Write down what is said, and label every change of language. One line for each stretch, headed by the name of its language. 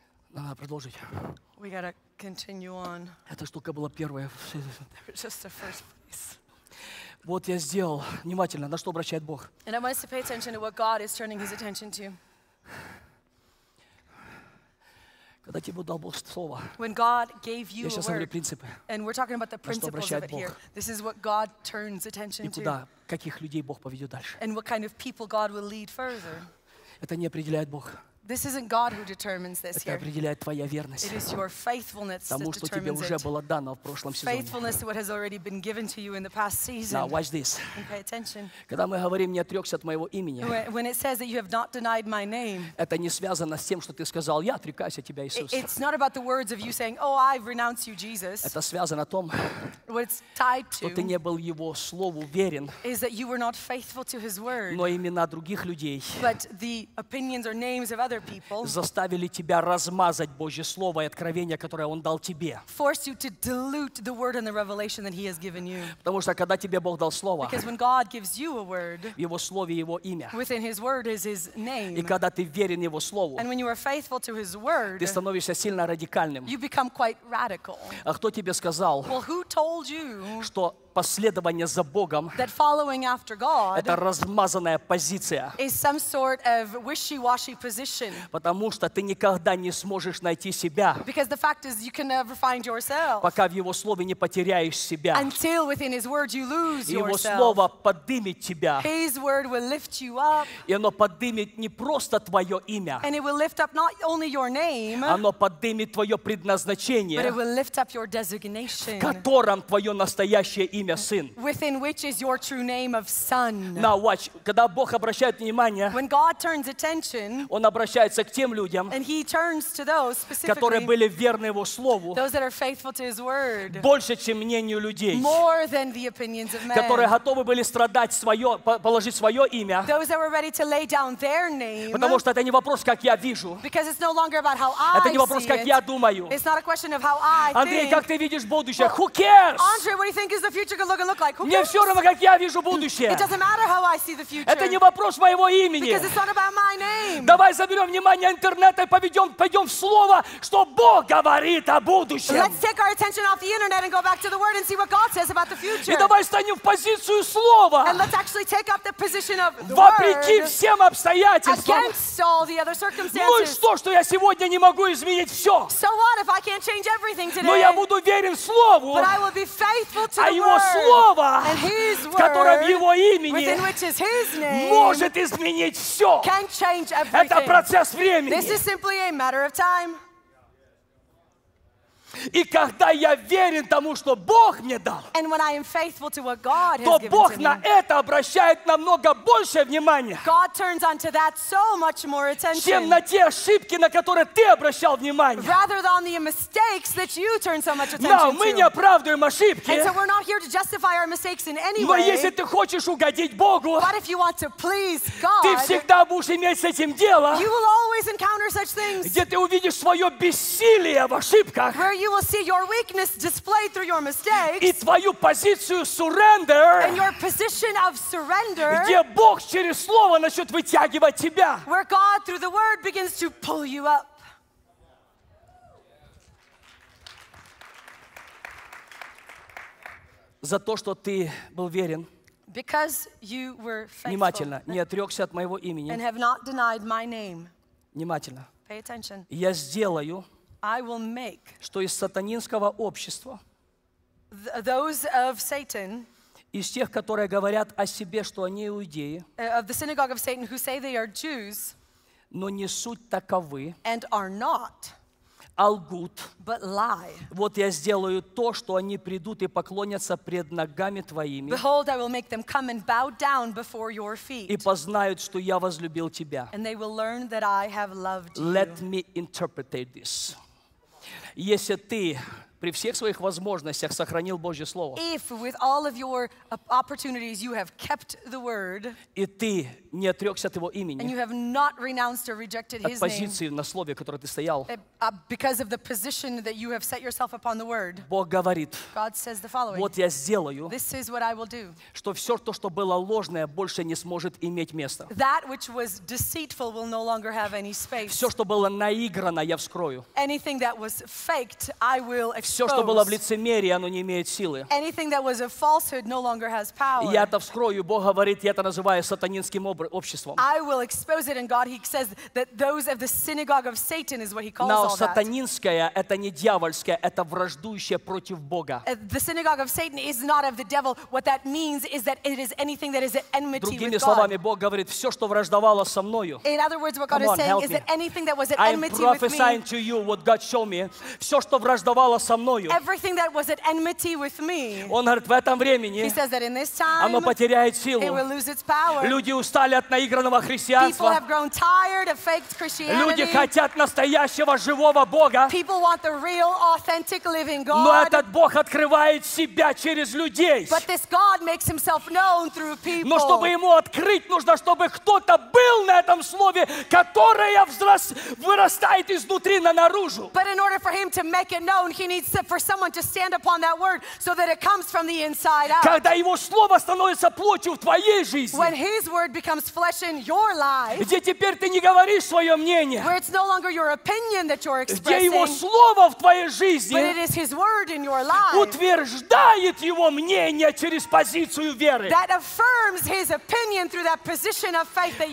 Russian: Надо продолжить.
English: We gotta continue on.
Russian: Эта штука была первая.
English: Just the first place.
Russian: Вот я сделал. Внимательно, на что обращает Бог.
English: And I want us to pay attention to what God is turning his attention to.
Russian: Когда тебе дал Бог слово.
English: When God gave you a word.
Russian: Я сейчас говорю принципы.
English: And we're talking about the principles of it here. This is what God turns attention to.
Russian: И куда, каких людей Бог поведет дальше.
English: And what kind of people God will lead further.
Russian: Это не определяет Бог.
English: This isn't God who determines this here. It is your faithfulness
Russian: тому,
English: that determines it. Faithfulness to what has already been given to you in the past season. Now watch this. And pay attention.
Russian: Когда мы говорим, не отрекся от моего имени.
English: When it says that you have not denied my name.
Russian: Это не связано с тем, что ты сказал, я отрекаюсь от тебя, Иисус.
English: It's not about the words of you saying, oh, I renounce you, Jesus.
Russian: Это связано том,
English: what it's tied to,
Russian: что ты не был его слову верен.
English: Is that you were not faithful to his word.
Russian: Но имена других людей.
English: But the opinions or names of other people
Russian: заставили тебя размазать Божье слово и откровение, которое он дал тебе.
English: Forced you to dilute the word and the revelation that he has given you.
Russian: Потому что когда тебе Бог дал слово,
English: because when God gives you a word,
Russian: в его слове его имя,
English: within his word is his name.
Russian: И когда ты верен его слову,
English: and when you are faithful to his word,
Russian: ты становишься сильно радикальным.
English: You become quite radical.
Russian: А кто тебе сказал?
English: Well, who told you,
Russian: что последование за Богом,
English: that following after God,
Russian: это размазанная позиция,
English: is some sort of wishy-washy position.
Russian: Потому что ты никогда не сможешь найти себя,
English: because the fact is you can never find yourself,
Russian: пока в его слове не потеряешь себя,
English: until within his word you lose yourself.
Russian: Его слово поднимет тебя,
English: his word will lift you up,
Russian: и оно поднимет не просто твое имя,
English: and it will lift up not only your name,
Russian: оно поднимет твое предназначение,
English: but it will lift up your designation,
Russian: в котором твое настоящее имя сын.
English: Within which is your true name of son. Now watch,
Russian: когда Бог обращает внимание,
English: when God turns attention,
Russian: он обращается к тем людям,
English: and he turns to those specifically,
Russian: которые были верны его слову,
English: those that are faithful to his word,
Russian: больше, чем мнению людей,
English: more than the opinions of men,
Russian: которые готовы были страдать свое, положить свое имя,
English: those that were ready to lay down their name,
Russian: потому что это не вопрос, как я вижу,
English: because it's no longer about how I,
Russian: это не вопрос, как я думаю,
English: it's not a question of how I,
Russian: Андрей,
English: think.
Russian: Как ты видишь будущее?
English: Well, who cares? Andrey, what do you think is the future could look and look like.
Russian: Мне все равно, как я вижу будущее.
English: It doesn't matter how I see the future.
Russian: Это не вопрос моего имени.
English: Because it's not about my name.
Russian: Давай заберем внимание интернета и пойдем в слово, что Бог говорит о будущем.
English: Let's take our attention off the internet and go back to the word and see what God says about the future.
Russian: И давай встанем в позицию слова.
English: And let's actually take up the position of the
Russian: вопреки
English: word,
Russian: всем обстоятельствам.
English: Against all the other circumstances.
Russian: Ну и что, что я сегодня не могу изменить все?
English: So what if I can't change everything today?
Russian: Но я буду верен слову.
English: But I will be faithful to the
Russian: Его слово,
English: and his word,
Russian: в котором его имени,
English: within which is his name,
Russian: может изменить все.
English: Can change everything.
Russian: Это процесс времени.
English: This is simply a matter of time.
Russian: И когда я верен тому, что Бог мне дал,
English: and when I am faithful to what God has
Russian: то Бог
English: given
Russian: на
English: me,
Russian: это обращает намного больше внимания,
English: God turns onto that so much more attention,
Russian: чем на те ошибки, на которые ты обращал внимание.
English: Rather than the mistakes that you turn so much attention no, to.
Russian: Мы не оправдываем ошибки.
English: And so we're not here to justify our mistakes in any
Russian: но
English: way.
Russian: Если ты хочешь угодить Богу,
English: but if you want to please God,
Russian: ты всегда будешь иметь с этим дело,
English: you will always encounter such things,
Russian: где ты увидишь свое бессилие в ошибках,
English: you will see your weakness displayed through your mistakes,
Russian: и твою позицию surrender,
English: and your position of surrender,
Russian: где Бог через слово начнет вытягивать тебя,
English: where God through the word begins to pull you up.
Russian: За то, что ты был верен,
English: because you were faithful,
Russian: внимательно, не отрекся от моего имени,
English: and have not denied my name,
Russian: внимательно,
English: pay attention,
Russian: я сделаю,
English: I will make,
Russian: что из сатанинского общества,
English: those of Satan,
Russian: из тех, которые говорят о себе, что они иудеи,
English: of the synagogue of Satan who say they are Jews,
Russian: но не суть таковы,
English: and are not,
Russian: а лгут,
English: but lie.
Russian: Вот я сделаю то, что они придут и поклонятся пред ногами твоими.
English: Behold, I will make them come and bow down before your feet.
Russian: И познают, что я возлюбил тебя.
English: And they will learn that I have loved you. Let me interpret this.
Russian: Если ты при всех своих возможностях сохранил Божье Слово,
English: if with all of your opportunities you have kept the word,
Russian: и ты не отрекся от Его имени,
English: and you have not renounced or rejected His name,
Russian: от позиции на Слове, которое ты стоял,
English: because of the position that you have set yourself upon the word,
Russian: Бог говорит,
English: God says the following,
Russian: вот я сделаю,
English: this is what I will do,
Russian: что все то, что было ложное, больше не сможет иметь места.
English: That which was deceitful will no longer have any space.
Russian: Все, что было наиграно, я вскрою.
English: Anything that was faked, I will expose.
Russian: Все, что было в лицемерии, оно не имеет силы.
English: Anything that was a falsehood no longer has power.
Russian: Я это вскрою. Бог говорит, я это называю сатанинским обществом.
English: I will expose it, and God, He says that those of the synagogue of Satan is what He calls all that.
Russian: Но сатанинское — это не дьявольское, это враждующее против Бога.
English: The synagogue of Satan is not of the devil. What that means is that it is anything that is at enmity with God.
Russian: Другими словами, Бог говорит, все, что враждовало со мною.
English: In other words, what God is saying is that anything that was at enmity with me. I'm prophesying to you what God showed me.
Russian: Все, что враждовало со мною.
English: Everything that was at enmity with me.
Russian: Он говорит, в этом времени.
English: He says that in this time.
Russian: Оно потеряет силу.
English: It will lose its power.
Russian: Люди устали от наигранного христианства.
English: People have grown tired of faked Christianity.
Russian: Люди хотят настоящего живого Бога.
English: People want the real, authentic, living God.
Russian: Но этот Бог открывает себя через людей.
English: But this God makes Himself known through people.
Russian: Но чтобы ему открыть, нужно, чтобы кто-то был на этом слове, которое вырастает изнутри на наружу.
English: But in order for him to make it known, he needs for someone to stand upon that word so that it comes from the inside out.
Russian: Когда его слово становится плотью в твоей жизни.
English: When his word becomes flesh in your life.
Russian: Где теперь ты не говоришь свое мнение.
English: Where it's no longer your opinion that you're expressing.
Russian: Где его слово в твоей жизни.
English: But it is his word in your life.
Russian: Утверждает его мнение через позицию веры.
English: That affirms his opinion through that position of faith that you